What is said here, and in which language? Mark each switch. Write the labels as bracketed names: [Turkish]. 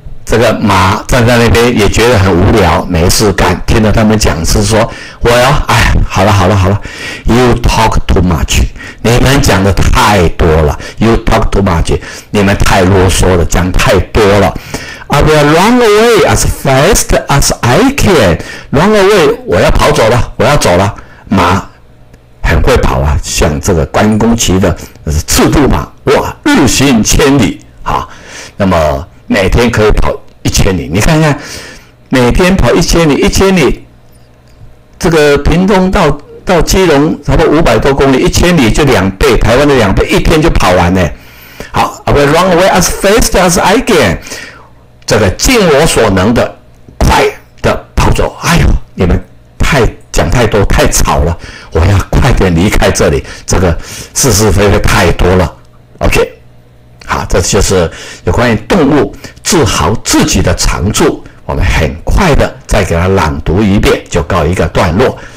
[Chinese] 这个马站在那边也觉得很无聊，没事干，听到他们讲是说，我要，哎，好了好了好了 ， [English] You talk too much， [Chinese] 你们讲的太多了 ，You talk too much， 你们太啰嗦了，讲太多了 ， [English] I will run away as fast as I can， run away， [Chinese] 我要跑走了，我要走了，马很会跑啊，像这个关公骑的赤兔马，哇，日行千里，好，那么。每天可以跑一千里，你看看，每天跑一千里，一千里，这个屏东到基隆差不多500多公里，一千里就两倍，台湾的两倍，一天就跑完了。好 ， [English] I will run away as fast as I can， [Chinese] 这个尽我所能的快的跑走。哎呦，你们讲太多，太吵了，我要快点离开这里，这个是是非非太多了。 OK。好，这就是有关于动物自豪自己的长处，我们很快的再给它朗读一遍就告一个段落。